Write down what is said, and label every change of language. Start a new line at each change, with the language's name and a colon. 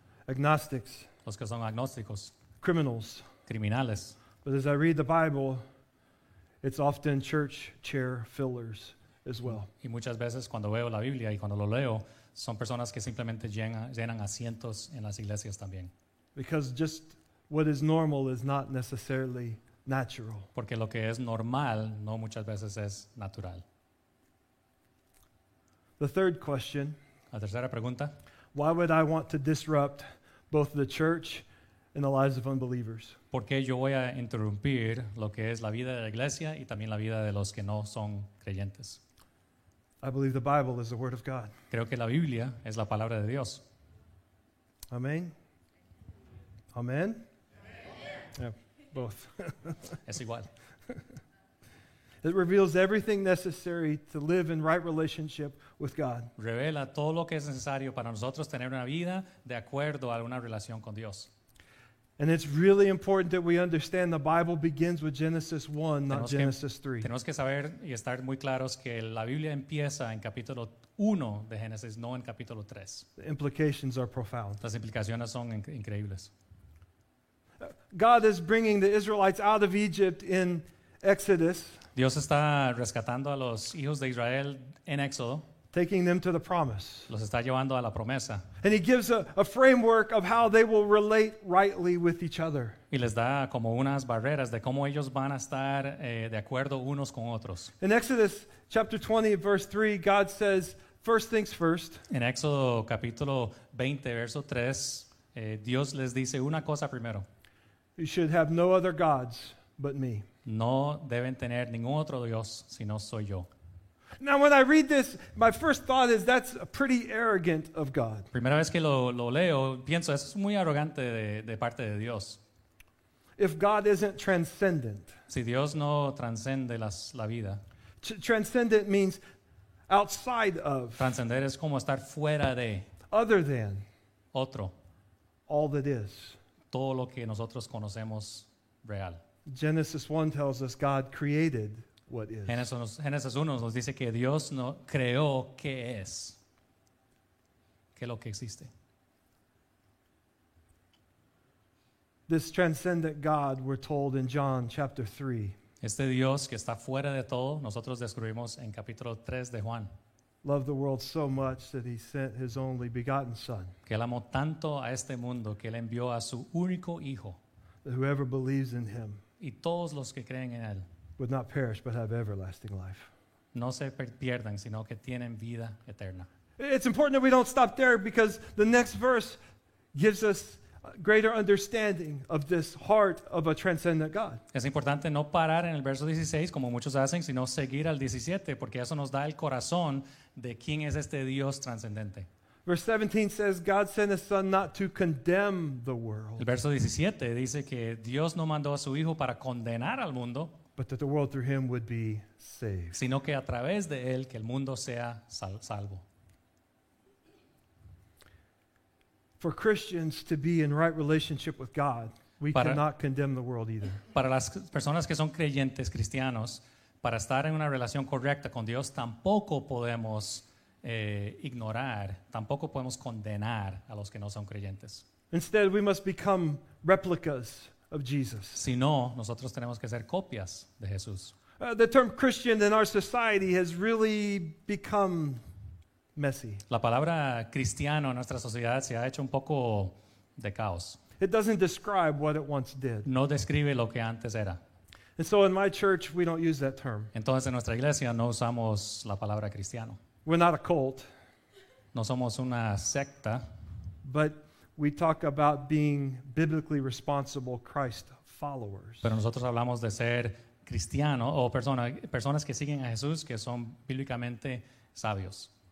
English: Agnostics.
Spanish: Los que son agnósticos.
English: Criminals.
Spanish: Criminales.
English: But as I read the Bible, it's often church chair fillers as well.
Spanish: Y muchas veces cuando veo la Biblia y cuando lo leo, son personas que simplemente llenan asientos en las iglesias también.
English: Because just what is normal is not necessarily natural.
Spanish: Porque lo que es normal no muchas veces es natural.
English: The third question.
Spanish: La tercera pregunta.
English: Why would I want to disrupt both the church and the lives of unbelievers?
Spanish: ¿Por qué yo voy a interrumpir lo que es la vida de la iglesia y también la vida de los que no son creyentes?
English: I believe the Bible is the word of God.
Spanish: Creo que la Biblia es la palabra de Dios. Amén. Amen.
English: Yeah, both.
Spanish: Es igual.
English: It reveals everything necessary to live in right relationship with God.
Spanish: Revela todo lo que es necesario para nosotros tener una vida de acuerdo a una relación con Dios.
English: And it's really important that we understand the Bible begins with Genesis 1, not Genesis 3.
Spanish: Tenemos que saber y estar muy claros que la Biblia empieza en capítulo 1 de Génesis, no en capítulo 3.
English: The implications are profound.
Spanish: Las implicaciones son increíbles.
English: God is bringing the Israelites out of Egypt in Exodus.
Spanish: Dios está rescatando a los hijos de Israel en Éxodo.
English: Taking them to the promise.
Spanish: Los está llevando a la promesa.
English: And he gives a framework of how they will relate rightly with each other.
Spanish: Y les da como unas barreras de cómo ellos van a estar de acuerdo unos con otros.
English: In Exodus chapter 20 verse 3, God says, first things first.
Spanish: En Éxodo capítulo 20 verso 3, Dios les dice una cosa primero.
English: You should have no other gods but me.
Spanish: No deben tener ningún otro Dios, sino soy yo.
English: Now when I read this, my first thought is that's pretty arrogant of God.
Spanish: Primera vez que lo leo, pienso, eso es muy arrogante de parte de Dios.
English: If God isn't transcendent.
Spanish: Si Dios no transcende la vida.
English: Transcendent means outside of.
Spanish: Transcender es como estar fuera de.
English: Other than.
Spanish: Otro.
English: All that is.
Spanish: Todo lo que nosotros conocemos real.
English: Genesis 1 tells us God created what is.
Spanish: Génesis 1 nos dice que Dios no creó qué es. Qué es lo que existe.
English: This transcendent God we're told in John chapter 3.
Spanish: Este Dios que está fuera de todo, nosotros descubrimos en capítulo 3 de Juan.
English: Loved the world so much that he sent his only begotten son.
Spanish: Que él amó tanto a este mundo que él envió a su único hijo.
English: That whoever believes in him.
Spanish: Y todos los que creen en él.
English: Would not perish but have everlasting life.
Spanish: No se pierdan sino que tienen vida eterna.
English: It's important that we don't stop there because the next verse gives us greater understanding of this heart of a transcendent God.
Spanish: Es importante no parar en el verso 16 como muchos hacen, sino seguir al 17 porque eso nos da el corazón de quién es este Dios transcendente.
English: Verse 17 says God sent his son not to condemn the world.
Spanish: El verso 17 dice que Dios no mandó a su hijo para condenar al mundo,
English: but that the world through him would be saved.
Spanish: Sino que a través de él que el mundo sea salvo.
English: For Christians to be in right relationship with God, we cannot condemn the world either.
Spanish: Para las personas que son creyentes cristianos, para estar en una relación correcta con Dios, tampoco podemos ignorar, tampoco podemos condenar a los que no son creyentes.
English: Instead, we must become replicas of Jesus.
Spanish: Si no, nosotros tenemos que ser copias de Jesús.
English: The term Christian in our society has really become messy.
Spanish: La palabra cristiano en nuestra sociedad se ha hecho un poco de caos.
English: It doesn't describe what it once did.
Spanish: No describe lo que antes era.
English: And so in my church we don't use that term.
Spanish: Entonces en nuestra iglesia no usamos la palabra cristiano.
English: We're not a cult.
Spanish: No somos una secta.
English: But we talk about being biblically responsible Christ followers.
Spanish: Pero nosotros hablamos de ser cristiano o personas que siguen a Jesús que son bíblicamente sabios.